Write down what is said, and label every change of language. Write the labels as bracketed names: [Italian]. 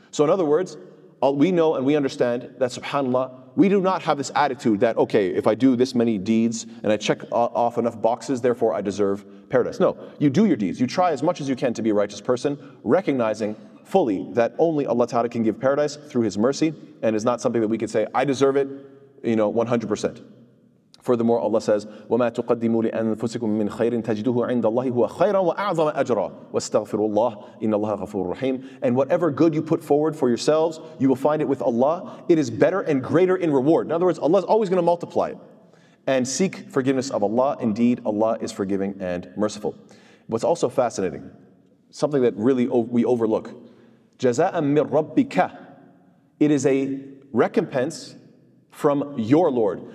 [English] So in other words, we know and we understand that subhanAllah, we do not have this attitude that, okay, if I do this many deeds and I check off enough boxes, therefore I deserve paradise. No, you do your deeds. You try as much as you can to be a righteous person, recognizing fully that only Allah Ta'ala can give paradise through His mercy, and is not something that we can say, I deserve it, you know, 100%. Furthermore, Allah says, [Arabic] وَمَا تُقَدِّمُوا لِأَنفُسِكُم مِّنْ خَيْرٍ تَجِدُهُ عِنْدَ اللَّهِ هُوَ خَيْرًا وَأَعْظَمَ أَجْرًا وَاسْتَغْفِرُوا اللَّهِ إِنَّ اللَّهَ غَفُورٌ رَحِيمٌ. [English] And whatever good you put forward for yourselves, you will find it with Allah. It is better and greater in reward. In other words, Allah is always going to multiply it. And seek forgiveness of Allah. Indeed, Allah is forgiving and merciful. What's also fascinating, something that really we overlook, [Arabic] جَزَاءً مِّن رَبِّكَ, [English] it is a recompense from your Lord.